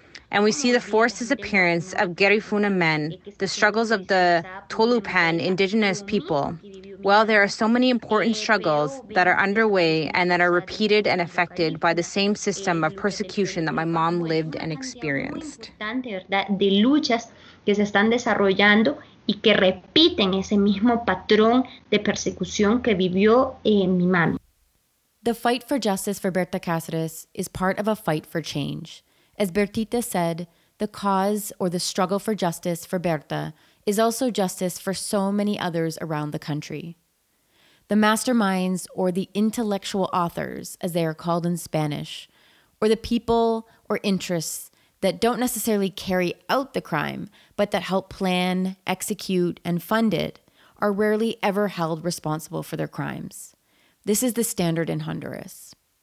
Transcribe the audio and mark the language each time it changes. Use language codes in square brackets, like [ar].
[en] And we see the forced disappearance of Garifuna men, the struggles of the Tolupan indigenous people. Well, there are so many important struggles that are underway and that are repeated and affected by the same system of persecution that my mom lived and experienced. [es] De luchas que se están desarrollando y que repiten ese mismo patrón de persecución que vivió mi mami. [en] The fight for justice for Berta Cáceres is part of a fight for change. As Bertita said, the cause or the struggle for justice for Berta is also justice for so many others around the country. The masterminds or the intellectual authors, as they are called in Spanish, or the people or interests that don't necessarily carry out the crime, but that help plan, execute, and fund it, are rarely ever held responsible for their crimes. This is the standard in Honduras.